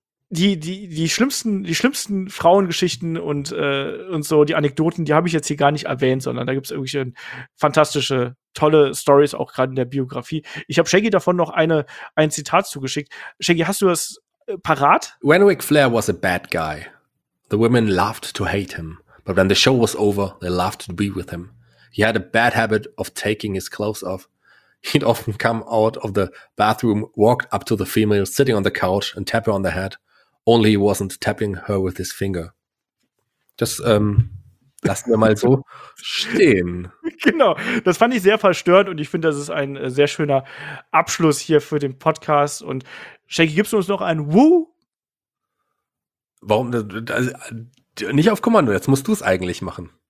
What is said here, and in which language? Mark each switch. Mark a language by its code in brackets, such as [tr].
[de] die schlimmsten Frauengeschichten und so, die Anekdoten, die habe ich jetzt hier gar nicht erwähnt, sondern da gibt's irgendwelche fantastische, tolle Stories auch gerade in der Biografie. Ich habe Shaggy davon noch ein Zitat zugeschickt. Shaggy, hast du das parat? [en] When Ric Flair was a bad guy, the women loved to hate him. But when the show was over, they loved to be with him. He had a bad habit of taking his clothes off. He'd often come out of the bathroom, walked up to the female sitting on the couch and tap her on the head, only he wasn't tapping her with his finger. [de] Das lassen wir mal so stehen. Genau, das fand ich sehr verstörend und ich finde, das ist ein sehr schöner Abschluss hier für den Podcast. Und Shaggy, gibst du uns noch ein Woo? Warum? Nicht auf Kommando, jetzt musst du es eigentlich machen.